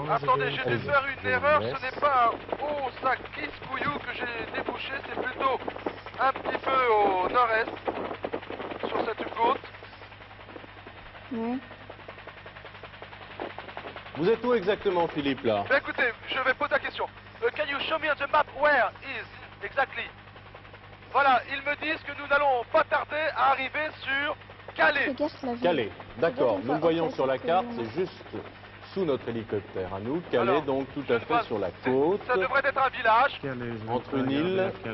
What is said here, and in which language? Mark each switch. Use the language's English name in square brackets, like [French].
[French] Attendez, je vais faire une erreur. Ce n'est pas à Ugazikoyu que j'ai débouché. C'est plutôt un petit peu au nord-est, sur cette côte. Oui. Vous êtes où exactement, Philippe, là? Mais écoutez, je vais poser la question. [English] Can you show me on the map where is exactly? [French] Voilà, ils me disent que nous n'allons pas tarder à arriver sur Calais. Calais, d'accord. Nous voyons sur la carte, c'est juste sous notre hélicoptère à nous. Calais, alors, donc, tout à fait sur la côte. Ça devrait être un village. Calais, entre une île.